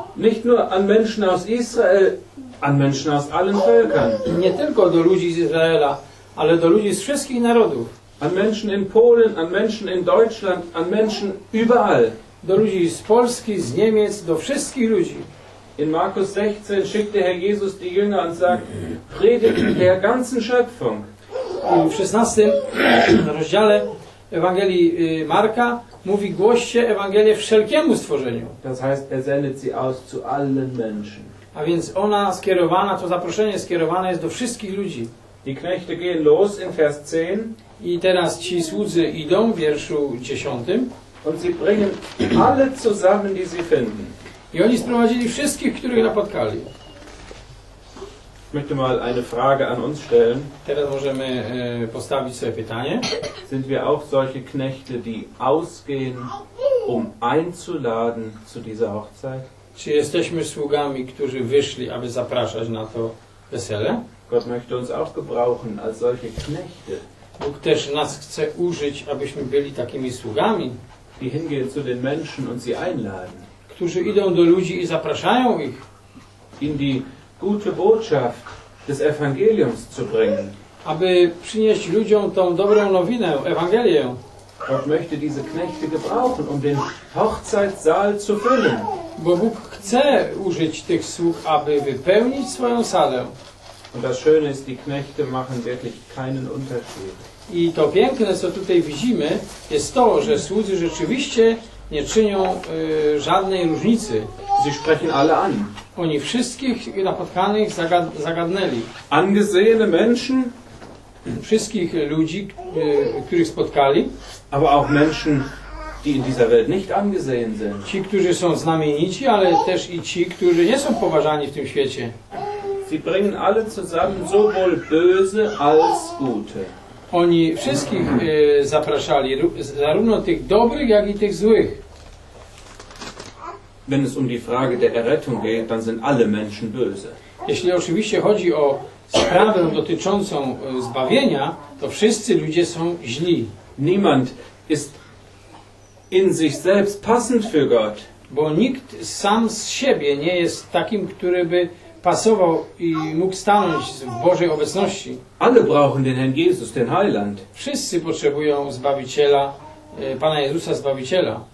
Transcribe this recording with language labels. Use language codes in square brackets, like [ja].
[de] Nicht nur an Menschen aus Israel, an Menschen aus allen Völkern. [pl] Nie tylko do ludzi z Izraela, ale do ludzi z wszystkich narodów. [de] An Menschen in Polen, an Menschen in Deutschland, an Menschen überall. [pl] Do ludzi z Polski, z Niemiec, do wszystkich ludzi. [de] In Markus 16 schickt der Herr Jesus die Jünger und sagt: Predigt der ganzen Schöpfung. [pl] W 16 rozdziale Ewangelii Marka mówi: głoście Ewangelię wszelkiemu stworzeniu. [de] Das heißt, er sendet sie aus zu allen Menschen. [pl] A więc ona skierowana, to zaproszenie skierowane jest do wszystkich ludzi. [de] Die Knechte gehen los in Vers 10. [pl] I teraz ci słudzy idą w wierszu 10. [de] Und sie bringen alle zusammen, die sie finden. [pl] I oni sprowadzili wszystkich, których napotkali. [de] Ich möchte mal eine Frage an uns stellen. [pl] Teraz możemy postawić sobie pytanie. [de] Sind wir auch solche Knechte, die ausgehen, um einzuladen zu dieser Hochzeit? [pl] Czy jesteśmy sługami, którzy wyszli, aby zapraszać na to wesele? [de] Gott möchte uns auch gebrauchen als solche Knechte. [pl] Bóg też nas chce użyć, abyśmy byli takimi sługami, [de] die hingehen zu den Menschen und sie einladen. [pl] Którzy idą do ludzi i zapraszają ich, [de] in die gute Botschaft des Evangeliums zu bringen. [pl] Aby przynieść ludziom tą dobrą nowinę, Ewangelię. [de] Gott möchte diese Knechte gebrauchen, um den Hochzeitssaal zu füllen. [pl] Bo Bóg chce użyć tych sług, aby wypełnić swoją salę. [de] Und das Schöne ist, die Knechte machen wirklich keinen Unterschied. [pl] I to piękne, co tutaj widzimy, jest to, że słudzy rzeczywiście nie czynią żadnej różnicy. [de] Sie sprechen alle an. [pl] Oni wszystkich napotkanych zagadnęli. [de] Angesehene Menschen. [pl] Wszystkich ludzi, których spotkali. [de] Aber auch Menschen, die in dieser Welt nicht angesehen sind. [pl] Ci, którzy są znamienici, ale też i ci, którzy nie są poważani w tym świecie. [de] Sie bringen alle zusammen, sowohl böse als gute. [pl] Oni wszystkich zapraszali, zarówno tych dobrych, jak i tych złych. [de] Wenn es um die Frage der Errettung geht, dann sind alle Menschen böse. [pl] Jeśli oczywiście chodzi o sprawę dotyczącą zbawienia, to wszyscy ludzie są źli. [de] Niemand ist in sich selbst passend für Gott. [pl] Bo nikt sam z siebie nie jest takim, który by pasował i mógł stanąć w Bożej obecności. [de] Alle brauchen den Herrn Jesus, den Heiland. [pl] Wszyscy potrzebują Zbawiciela, Pana Jezusa Zbawiciela.